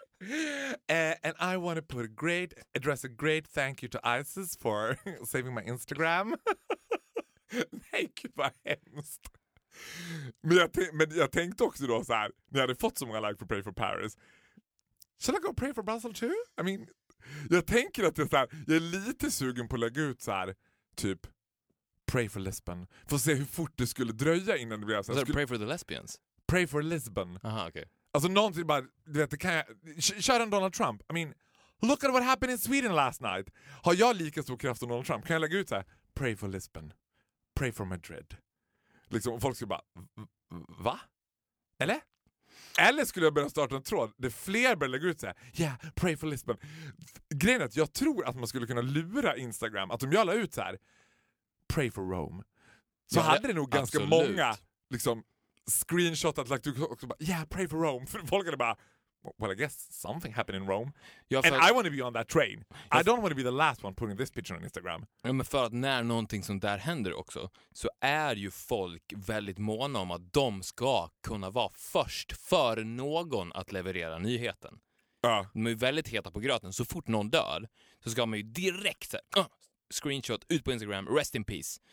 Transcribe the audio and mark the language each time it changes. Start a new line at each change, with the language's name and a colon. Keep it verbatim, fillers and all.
English: Uh, and I want to put a great, address a great thank you to Isis for saving my Instagram.
Swedish: Nej, gud vad hemskt. Men jag, t- men jag tänkte också då så här, när jag hade fått så många like för Pray for Paris.
English: Should I go pray for Brussels too? I mean,
Swedish: jag tänker att jag, så här, jag är lite sugen på att lägga ut så här, typ Pray for Lisbon. För att se hur fort det skulle dröja innan det blev så här.
English: That
Swedish: skulle...
English: Pray for the lesbians? Pray for Lisbon.
Swedish: Aha, okej. Okay. Alltså någonting bara, du vet, det kan jag... Kör en Donald Trump.
English: I mean, look at what happened in Sweden last night.
Swedish: Har jag lika stor kraft som Donald Trump? Kan jag lägga ut så här, Pray for Lisbon. Pray for Madrid. Liksom, folk skulle bara, va? Eller? Eller skulle jag börja starta en tråd där fler börjar lägga ut så här,
English: yeah, pray for Lisbon.
Swedish: Grejen är att jag tror att man skulle kunna lura Instagram att om jag la ut så här,
English: pray for Rome.
Swedish: Så ja, hade det nog ganska absolut. Många liksom, screenshot att lagt ut också bara,
English: yeah, pray for Rome.
Swedish: För folk hade bara,
English: well, I guess something happened in Rome. Ja, and att... I want to be on that train. Ja, I don't want to be the last one putting this picture on Instagram.
Swedish: Ja, men för att när någonting sånt där händer också så är ju folk väldigt måna om att de ska kunna vara först för någon att leverera nyheten. Ja. De är ju väldigt heta på gröten. Så fort någon dör så ska man ju direkt uh, screenshot ut på Instagram,
English: rest in peace.